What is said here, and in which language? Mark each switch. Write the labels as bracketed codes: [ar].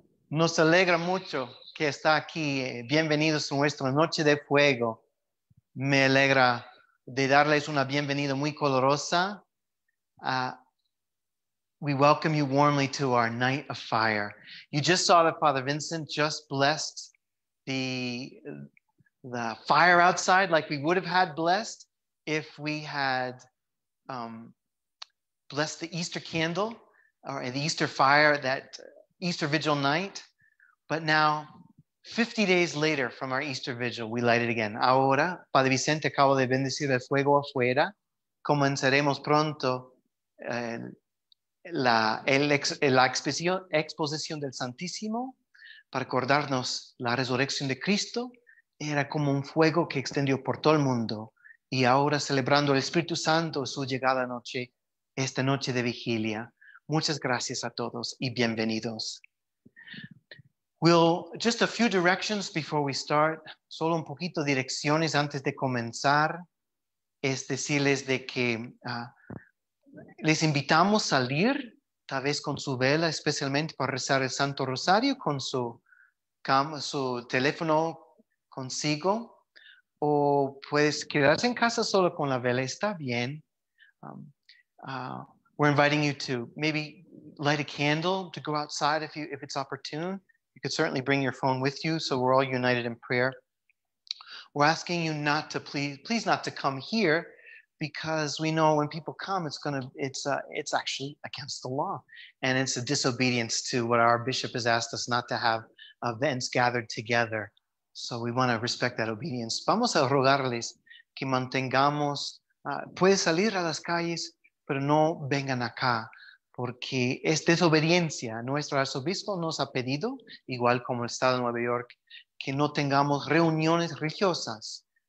[es] Nos alegra mucho que está aquí. Bienvenidos a nuestra noche de fuego. Me alegra de darles una bienvenida muy colorosa. [en] We welcome you warmly to our night of fire. You just saw that Father Vincent just blessed the fire outside, like we would have had blessed if we had blessed the Easter candle or the Easter fire that Easter vigil night. But now, 50 days later from our Easter vigil, we light it again. [es] Ahora, Padre Vicente, acabo de bendecir el fuego afuera. Comenzaremos pronto la exposición del Santísimo para acordarnos la resurrección de Cristo. Era como un fuego que extendió por todo el mundo. Y ahora, celebrando el Espíritu Santo su llegada anoche, esta noche de vigilia. Muchas gracias a todos y bienvenidos. Just a few directions before we start. Solo un poquito direcciones antes de comenzar. Es decirles de que les invitamos a salir, tal vez con su vela, especialmente para rezar el Santo Rosario con su teléfono consigo. O puedes quedarse en casa solo con la vela, está bien. [en] We're inviting you to maybe light a candle to go outside if it's opportune. You could certainly bring your phone with you, so we're all united in prayer. We're asking you not to please not to come here, because we know when people come, it's actually against the law, and it's a disobedience to what our bishop has asked us, not to have events gathered together. So we want to respect that obedience. Vamos a rogarles que mantengamos. [es] Puede salir a las calles, pero no vengan acá. Porque es desobediencia. Nuestro arzobispo nos ha pedido, igual como el Estado de Nueva York, que no tengamos reuniones religiosas.